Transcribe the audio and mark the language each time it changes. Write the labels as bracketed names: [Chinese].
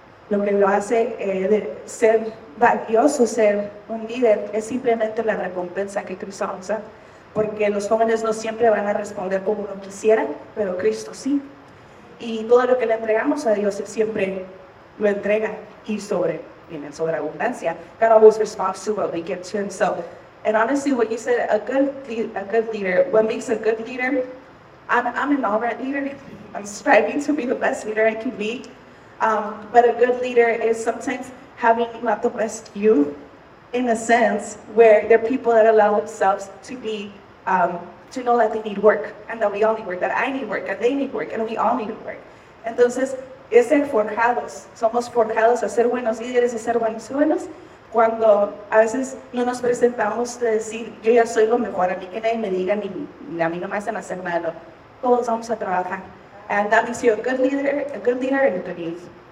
[Spanish] Lo que lo hace ser valioso, ser un líder, es simplemente la recompensa que Cristo nos da. porque los jóvenes no siempre van a responder como uno quisiera, pero Cristo sí. Y todo lo que le entregamos a Dios, Él siempre lo entrega y sobre, viene sobre abundancia. [English] God always responds to what we give to Him. So, and honestly, what you said, a good leader, what makes a good leader, I'm an all right leader. I'm striving to be the best leader I can be. But a good leader is sometimes having not the best you, in a sense, where there are people that allow themselves to be, to know that they need work, and that we all need work, that I need work, and they need work, and we all need work. [Spanish] Entonces, es ser forjados. Somos forjados a ser buenos líderes y ser buenos jóvenes. Cuando a veces no nos presentamos de decir, yo ya soy lo mejor, a mí que nadie me diga, ni a mí no me hacen hacer malo. Todos vamos a trabajar. [English] And that makes you a good leader, and a good youth.